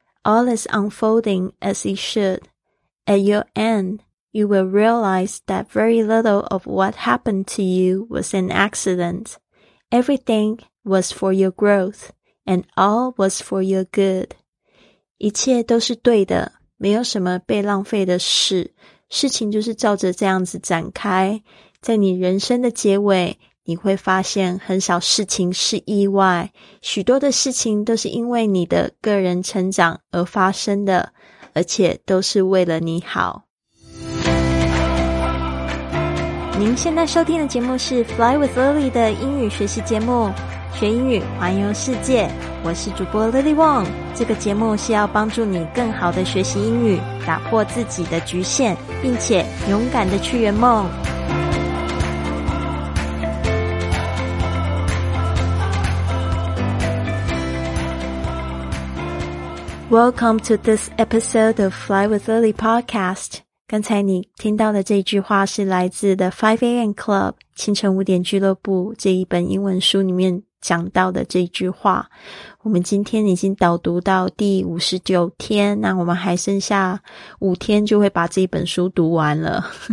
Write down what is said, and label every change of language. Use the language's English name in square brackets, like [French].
[English] All is unfolding as it should. At your end, you will realize that very little of what happened to you was an accident. Everything was for your growth, and all was for your good. [Chinese] 一切都是对的，没有什么被浪费的事。事情就是照着这样子展开，在你人生的结尾，你会发现很少事情是意外，许多的事情都是因为你的个人成长而发生的，而且都是为了你好。您现在收听的节目是 Fly with Lily 的英语学习节目，学英语环游世界，我是主播 Lily Wong。这个节目是要帮助你更好的学习英语，打破自己的局限，并且勇敢的去圆梦。 [English] Welcome to this episode of Fly with Lily podcast. [Chinese] 刚才你听到的这句话是来自 The 5AM Club 清晨五点俱乐部这一本英文书里面讲到的这句话。我们今天已经导读到第59天，那我们还剩下5天就会把这一本书读完了。